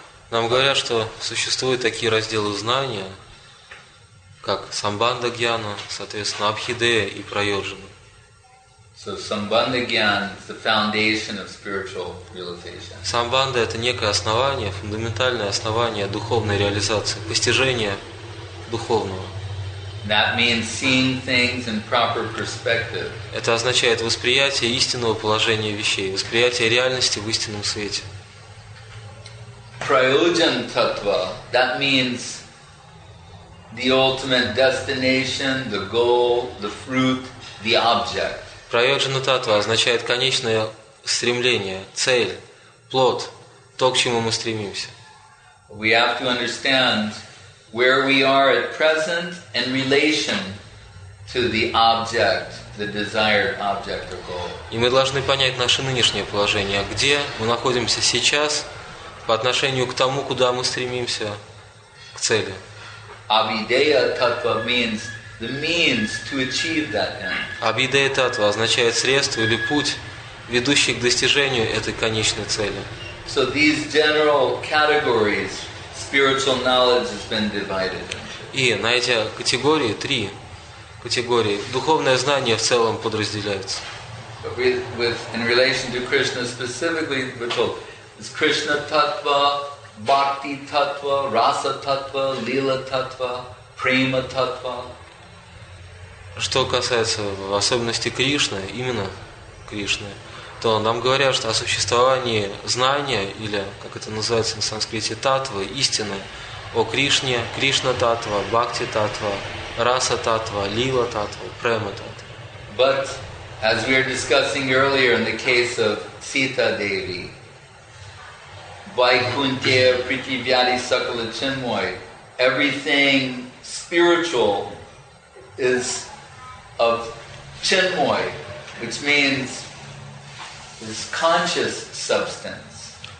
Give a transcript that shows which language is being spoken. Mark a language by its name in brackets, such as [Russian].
[Russian] Нам говорят, что существуют такие разделы знания, как Самбандхагьяна, соответственно, Абхидея и Прайоджана. [English] So Sambandhagyan is the foundation of spiritual realization. [Russian] Самбанда — это некое основание, фундаментальное основание духовной реализации, постижения духовного. [English] That means seeing things in proper perspective. [Russian] Это означает восприятие истинного положения вещей, восприятие реальности в истинном свете. [English] Prayojan tattva, that means the ultimate destination, the goal, the fruit, the object. [Russian] Prayojana tattva означает конечное стремление, цель, плод, то, к чему мы стремимся. [English] We have to understand where we are at present in relation to the object, the desired object or goal. [Russian] И мы должны понять наше нынешнее положение, где мы находимся сейчас по отношению к тому, куда мы стремимся, к цели. [English] Avideya tattva means the means to achieve that end. [Russian] Avideya tattva означает средство или путь, ведущий к достижению этой конечной цели. [English] So these general categories spiritual knowledge has been divided into. [Russian] И на эти категории, три категории, духовное знание в целом подразделяется. [English] With in relation to Krishna specifically, we're told is Krishna tattva, bhakti tattva, rasa tattva, lila tattva, prema tattva. [Russian] Что касается особенностей Кришны, именно Кришны, то нам говорят, что о существовании знания, или как это называется на санскрите, таттвы, истины, о Кришне, Кришна таттва, бхакти таттва, раса таттва, лила таттва, према таттва. [English] But as we were discussing earlier in the case of Sita Devi, [Bangla] Vaikunthe prithivyadi sakala chinmoy, [English] everything spiritual is of chinmoy, which means this conscious substance.